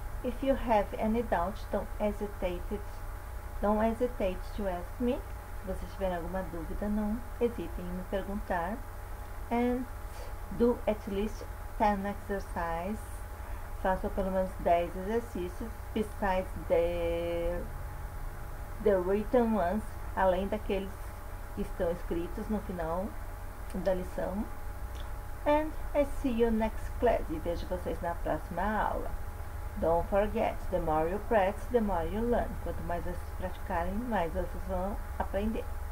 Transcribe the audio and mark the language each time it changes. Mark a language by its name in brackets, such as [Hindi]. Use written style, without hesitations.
[English] If you have any doubt, don't hesitate to ask me. [Portuguese] Se você tiver alguma dúvida, não hesitem em me perguntar. [English] And do at least 10 exercises. [Portuguese] Faça pelo menos 10 exercícios, [English] besides the written ones, [Portuguese] além daqueles estão escritos no final da lição. [English] And I see you next class. [Portuguese] E vejo vocês na próxima aula. [English] Don't forget, the more you practice, the more you learn. [Portuguese] Quanto mais vocês praticarem, mais vocês vão aprender.